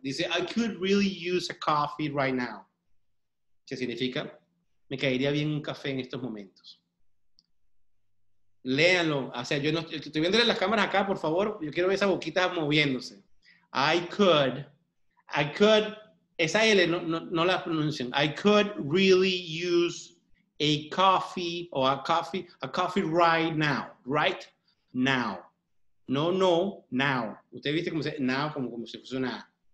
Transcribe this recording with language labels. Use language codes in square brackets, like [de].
[en] Dice, I could really use a coffee right now. [es] ¿Qué significa? Me caería bien un café en estos momentos. Léanlo. O sea, yo no estoy viendo las cámaras acá, por favor. Yo quiero ver esa boquita moviéndose. [en] I could, [es] esa L no la pronuncian. [en] I could really use a coffee right now. Right now. No, now. [es] Usted viste cómo se dice now, como se puso una A.